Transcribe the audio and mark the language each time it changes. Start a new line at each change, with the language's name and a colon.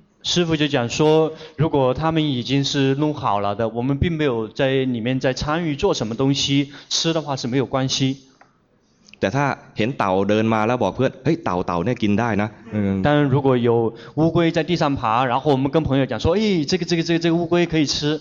Chinese: 师父就讲说如果他们已经是弄好了的我们并没有在里面在参与做什么东西吃的话是没有关系
Thai: แต่ถ้าเห็นเต่าเดินมาแล้วบอกเพื่อนเฮ้ยเต่าเนี่ยกินได้นะ
Chinese: 但如果有乌龟在地上爬然后我们跟朋友讲说哎这个乌龟可以吃